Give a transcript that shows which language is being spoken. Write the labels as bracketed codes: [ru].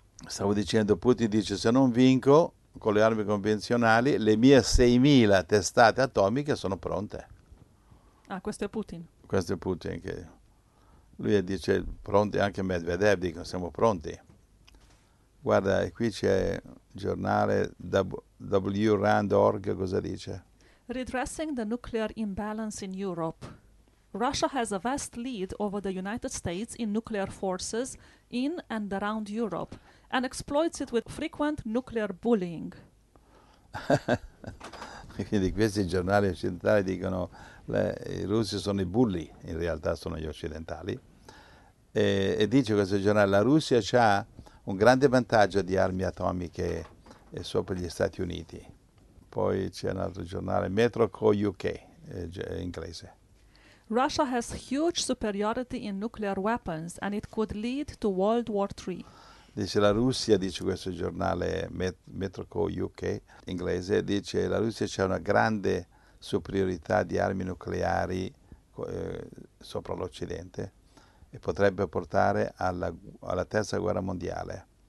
[it] Stavo dicendo, Putin dice: se non vinco con le armi convenzionali, le mie 6.000 testate atomiche sono pronte. Ah, questo è Putin. Questo è Putin che... lui dice: pronti anche Medvedev, dicono: siamo pronti. Guarda, qui c'è il giornale WRAND.org, cosa dice? [en] Redressing the nuclear imbalance in Europe. Russia has a vast lead over the United States in nuclear forces in and around Europe and exploits it with frequent nuclear bullying. [it] Quindi questi giornali occidentali dicono: i russi sono i bulli, in realtà sono gli occidentali. E dice questo giornale: la Russia ha un grande vantaggio di armi atomiche sopra gli Stati Uniti. Poi c'è un altro giornale, Metro.co.uk, inglese. [en] Russia has huge superiority in nuclear weapons and it could lead to World War III. [it] Dice la Russia, dice questo giornale Metro.co.uk, inglese, dice: la Russia c'ha una grande superiorità di armi nucleari sopra l'Occidente e potrebbe portare alla terza guerra mondiale.